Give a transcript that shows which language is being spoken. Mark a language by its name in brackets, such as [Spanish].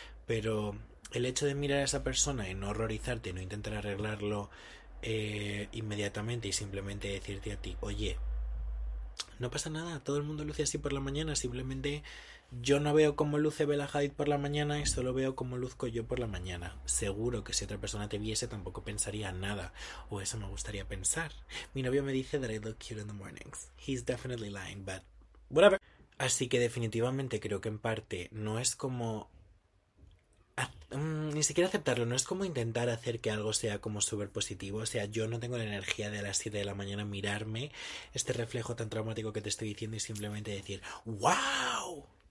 [Spanish] Pero el hecho de mirar a esa persona y no horrorizarte y no intentar arreglarlo inmediatamente y simplemente decirte a ti, oye, no pasa nada, todo el mundo luce así por la mañana, simplemente yo no veo cómo luce Bella Hadid por la mañana y solo veo cómo luzco yo por la mañana. Seguro que si otra persona te viese tampoco pensaría nada, o eso me gustaría pensar. Mi novio me dice [English] that I look cute in the mornings. He's definitely lying, but whatever. [Spanish] Así que definitivamente creo que en parte no es como ni siquiera aceptarlo, no es como intentar hacer que algo sea como súper positivo. O sea, yo no tengo la energía de a las 7 de la mañana mirarme este reflejo tan traumático que te estoy diciendo y simplemente decir, ¡wow!